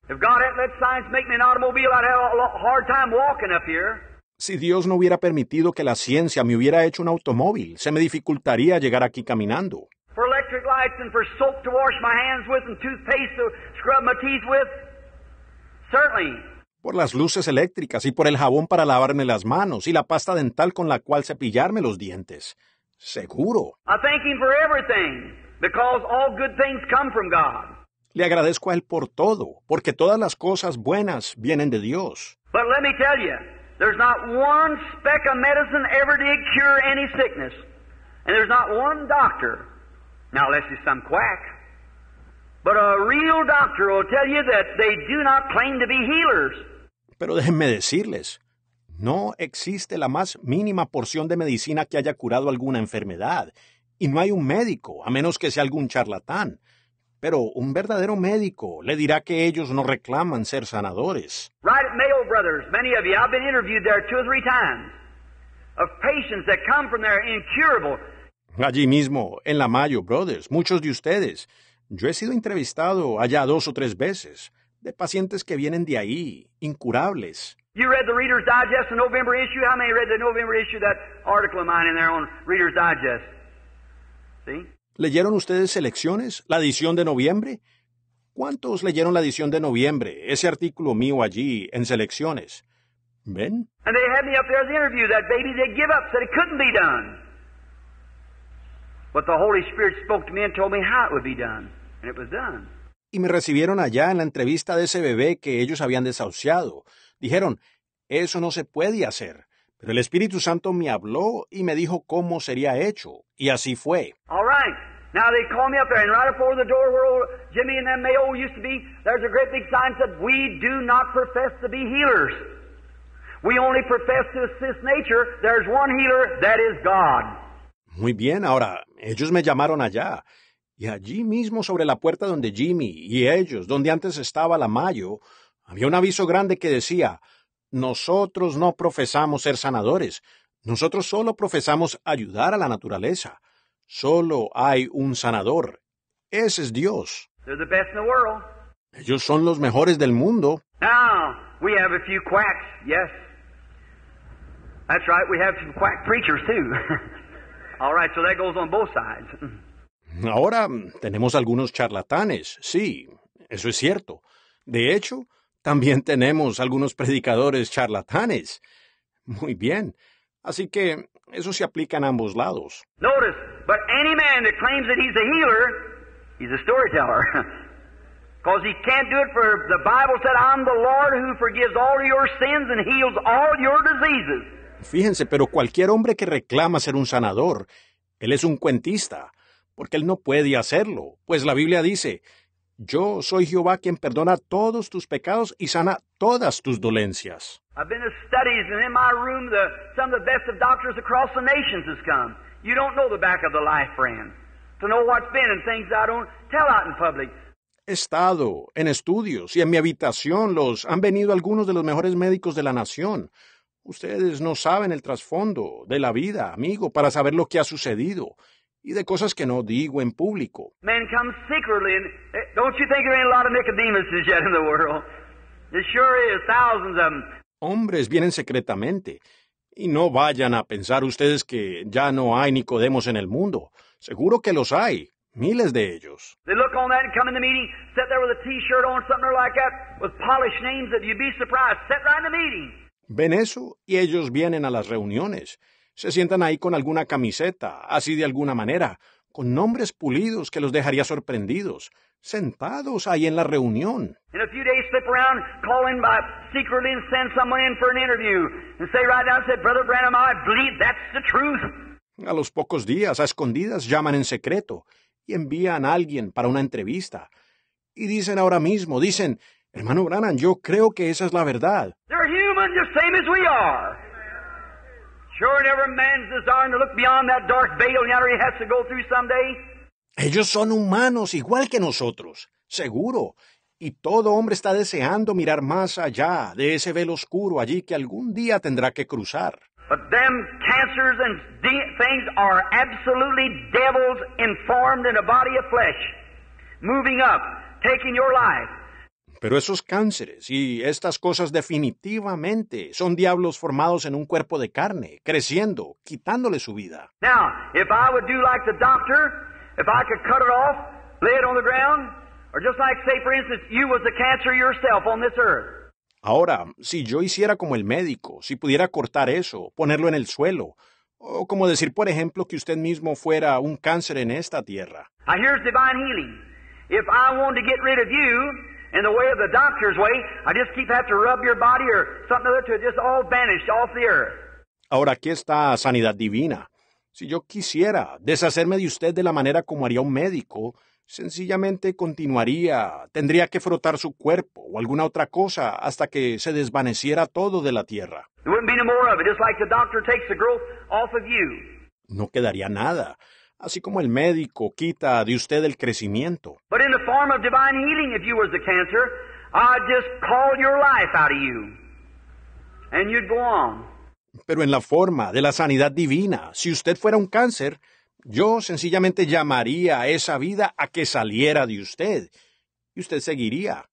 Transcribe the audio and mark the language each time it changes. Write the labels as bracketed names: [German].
[English] If God hadn't let science make me an automobile, I'd have a hard time walking up here. [Spanish] Si Dios no hubiera permitido que la ciencia me hubiera hecho un automóvil, se me dificultaría llegar aquí caminando. [English] For electric- electric lights and for soap to wash my hands with and toothpaste to scrub my teeth with? Certainly. [Spanish] Por las luces eléctricas y por el jabón para lavarme las manos y la pasta dental con la cual cepillarme los dientes. Seguro. [English] I thank him for everything, because all good things come from God. [Spanish] Le agradezco a él por todo, porque todas las cosas buenas vienen de Dios. [English] But let me tell you, there's not one speck of medicine ever did cure any sickness. And there's not one doctor, now unless he's some quack, but a real doctor will tell you that they do not claim to be healers. [Spanish] Pero déjenme decirles, no existe la más mínima porción de medicina que haya curado alguna enfermedad. Y no hay un médico, a menos que sea algún charlatán. Pero un verdadero médico le dirá que ellos no reclaman ser sanadores. [English] Right at Mayo Brothers, many of you, I've been interviewed there 2 or 3 times. Of patients that come from there incurable. [Spanish] Allí mismo, en la Mayo Brothers, muchos de ustedes, yo he sido entrevistado allá 2 o 3 veces, de pacientes que vienen de ahí, incurables. [English] You read the Reader's Digest, the November issue? How many read the November issue, that article of mine in there on Reader's Digest? See? [Spanish] ¿Leyeron ustedes Selecciones, la edición de noviembre? ¿Cuántos leyeron la edición de noviembre, ese artículo mío allí, en Selecciones? ¿Ven? [English] And they had me up there at the interview, that baby did give up, said it couldn't be done. But the Holy Spirit spoke to me and told me how it would be done, and it was done. [Spanish] Y me recibieron allá en la entrevista de ese bebé que ellos habían desahuciado. Dijeron, eso no se puede hacer. Pero el Espíritu Santo me habló y me dijo cómo sería hecho. Y así fue. [English] All right. Now they call me up there, and right before the door where old Jimmy and them Mayo used to be, there's a great big sign that said, we do not profess to be healers. We only profess to assist nature. There's one healer, that is God. [Spanish] Muy bien. Ahora, ellos me llamaron allá. Y allí mismo sobre la puerta donde Jimmy y ellos, donde antes estaba la Mayo, había un aviso grande que decía, nosotros no profesamos ser sanadores, nosotros solo profesamos ayudar a la naturaleza. Solo hay un sanador. Ese es Dios. [English] They're the best in the world. [Spanish] Ellos son los mejores del mundo. [English] Now, we have a few quacks, yes. That's right, we have some quack preachers too. All right, so that goes on both sides. [Spanish] Ahora, tenemos algunos charlatanes, sí, eso es cierto. De hecho, también tenemos algunos predicadores charlatanes. Muy bien, así que eso se aplica en ambos lados. [English] Notice, but any man that claims that he's a healer, he's a storyteller. Because he can't do it, for the Bible said, I'm the Lord who forgives all your sins and heals all your diseases. [Spanish] Fíjense, pero cualquier hombre que reclama ser un sanador, él es un cuentista. Porque él no puede hacerlo, pues la Biblia dice, yo soy Jehová quien perdona todos tus pecados y sana todas tus dolencias. [English] I've been to studies and in my room some of the best of doctors across the nations has come. You don't know the back of the life, friend, to know what's been and things I don't tell out in public. [Spanish] He estado en estudios y en mi habitación los han venido algunos de los mejores médicos de la nación. Ustedes no saben el trasfondo de la vida, amigo, para saber lo que ha sucedido. Y de cosas que no digo en público. [English] Men come secretly, and don't you think there ain't a lot of Nicodemuses yet in the world? There sure is, thousands of them. [Spanish] Hombres vienen secretamente, y no vayan a pensar ustedes que ya no hay Nicodemos en el mundo. Seguro que los hay, miles de ellos. [English] They look on that and come in the meeting, sit there with a t-shirt on, something like that, with polished names, that you'd be surprised, sit right in the meeting. [Spanish] Ven eso, y ellos vienen a las reuniones. Se sientan ahí con alguna camiseta, así de alguna manera, con nombres pulidos que los dejaría sorprendidos, sentados ahí en la reunión. [English] In a few days, slip around, call in by secretly and send someone in for an interview. And say right now, say, Brother Branham, I believe that's the truth. [Spanish] A los pocos días, a escondidas, llaman en secreto y envían a alguien para una entrevista. Y dicen ahora mismo, dicen, hermano Branham, yo creo que esa es la verdad. [English] They're human, the same as we are. Sure, and every man's desire to look beyond that dark veil he has to go through someday. [Spanish] Ellos son humanos igual que nosotros, seguro. Y todo hombre está deseando mirar más allá de ese velo oscuro allí que algún día tendrá que cruzar. [English] But them cancers and things are absolutely devils informed in a body of flesh, moving up, taking your life. [Spanish] Pero esos cánceres y estas cosas definitivamente son diablos formados en un cuerpo de carne, creciendo, quitándole su vida. [English] Now, if I would do like the doctor If I could cut it off, lay it on the ground, or just like, say, for instance, you was the cancer yourself on this earth. [Spanish] Ahora, si yo hiciera como el médico, si pudiera cortar eso, ponerlo en el suelo, o como decir, por ejemplo, que usted mismo fuera un cáncer en esta tierra. [English] Now, here's divine healing. If I wanted to get rid of you in the way of the doctor's way, I just keep have to rub your body or something other to just all vanish off the earth. [Spanish] Ahora, aquí está sanidad divina. Si yo quisiera deshacerme de usted de la manera como haría un médico, sencillamente continuaría, tendría que frotar su cuerpo o alguna otra cosa hasta que se desvaneciera todo de la tierra. [English] There wouldn't be no more of it, just like the doctor takes the growth off of you. [Spanish] No quedaría nada, así como el médico quita de usted el crecimiento. [English] But in the form of divine healing, if you were the cancer, I'd just call your life out of you, and you'd go on. [Spanish] Pero en la forma de la sanidad divina, si usted fuera un cáncer, yo sencillamente llamaría a esa vida a que saliera de usted, y usted seguiría.